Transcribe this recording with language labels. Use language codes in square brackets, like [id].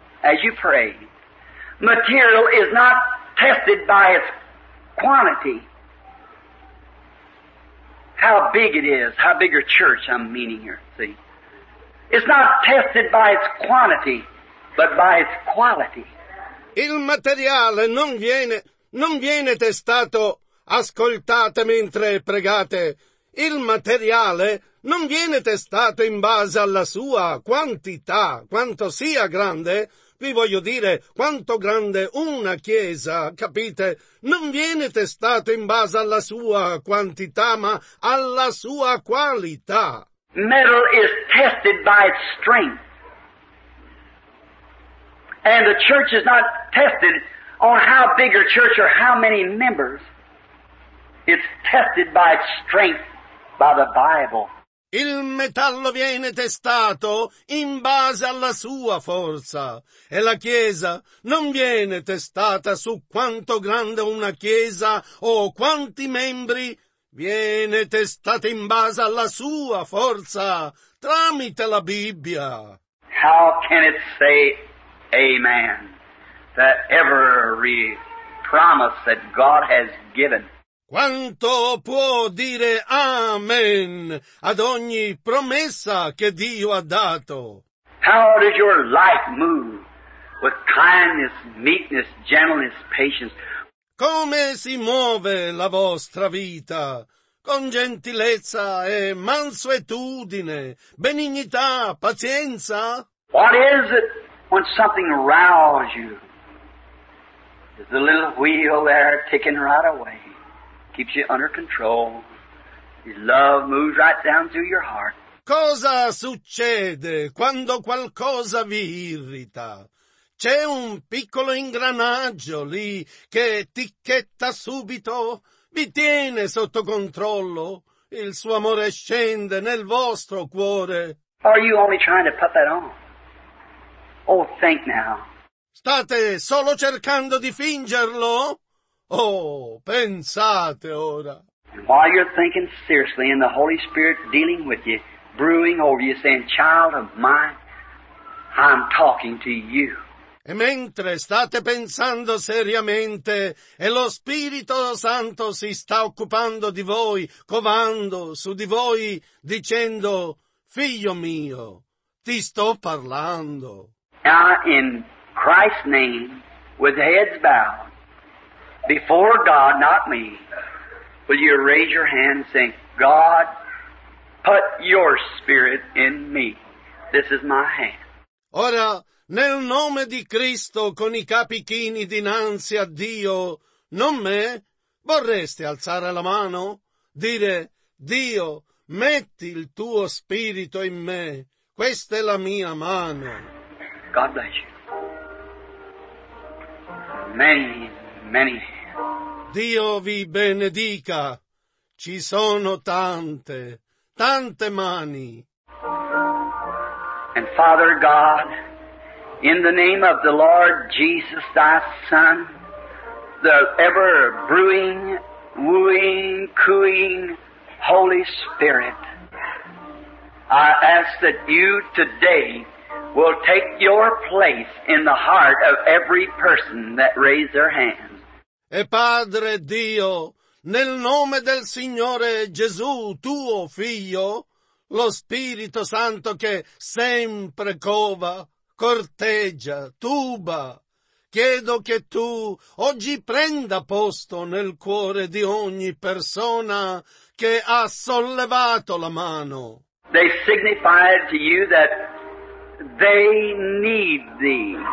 [en] As you pray, material is not tested by its quantity. How big it is, how big a church I'm meaning here, see. It's not tested by its quantity, but by its quality. [it] Il materiale non viene testato, ascoltate mentre pregate. Il materiale non viene testato in base alla sua quantità, quanto sia grande. Vi voglio dire, quanto grande una chiesa, capite? Non viene testato in base alla sua quantità, ma alla sua qualità. [en] Metal is tested by its strength. And the church is not tested on how big a church or how many members. It's tested by its strength, by the Bible. [it] Il metallo viene testato in base alla sua forza, e la chiesa non viene testata su quanto grande una chiesa o quanti membri, viene testata in base alla sua forza, tramite la Bibbia. [en] How can it say amen, that every promise that God has given? [it] Quanto può dire amen ad ogni promessa che Dio ha dato? [en] How did your life move with kindness, meekness, gentleness, patience? [it] Come si muove la vostra vita? Con gentilezza e mansuetudine, benignità, pazienza? [en] What is it when something rouses you? Is the little wheel there ticking right away? Keeps you under control. His love moves right down through your heart. [it] Cosa succede quando qualcosa vi irrita? C'è un piccolo ingranaggio lì che ticchetta subito, vi tiene sotto controllo. Il suo amore scende nel vostro cuore. [en] Are you only trying to put that on? Oh, think now. [it] State solo cercando di fingerlo? Oh, pensate ora. [en] And while you're thinking seriously and the Holy Spirit dealing with you, brewing over you, saying, child of mine, I'm talking to you. [it] E mentre state pensando seriamente e lo Spirito Santo si sta occupando di voi, covando su di voi, dicendo, figlio mio, ti sto parlando. [en] Now in Christ's name, with heads bowed, before God, not me, will you raise your hand and say, God, put your spirit in me. This is my hand. [it] Ora, nel nome di Cristo, con i capi chini dinanzi a Dio, non me, vorreste alzare la mano? Dire, Dio, metti il tuo spirito in me. Questa è la mia mano. [en] God bless you. Many, many. [it] Dio vi benedica. Ci sono tante, tante mani. [en] And Father God, in the name of the Lord Jesus, thy Son, the ever brewing, wooing, cooing Holy Spirit, I ask that you today will take your place in the heart of every person that raised their hand. [it] E Padre Dio, nel nome del Signore Gesù, tuo Figlio, lo Spirito Santo che sempre cova, corteggia, tuba, chiedo che tu oggi prenda posto nel cuore di ogni persona che ha sollevato la mano. [en] They signify to you that they need thee.